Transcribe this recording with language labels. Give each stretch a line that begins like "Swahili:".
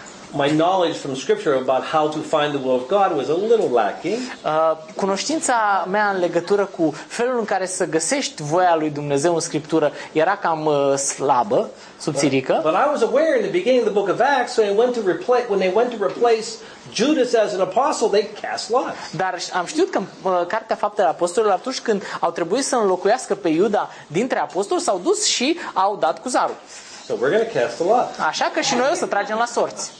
English: My knowledge from scripture about how to find the will of God was a little lacking.
Romanian: Cunoștința mea în legătură cu felul în care să găsești voia lui Dumnezeu în scriptură era cam slabă, subțirică.
English: But I was aware in the beginning of the book of Acts when they went to replace Judas as an apostle, they cast lots.
Romanian: Dar am știut că cartea Faptele Apostolilor, atunci când au trebuit să înlocuiască pe Iuda dintre apostoli, s-au dus și au dat cu zarul.
English: So we're going to cast a lot.
Romanian: Așa că și noi o să tragem la sorți.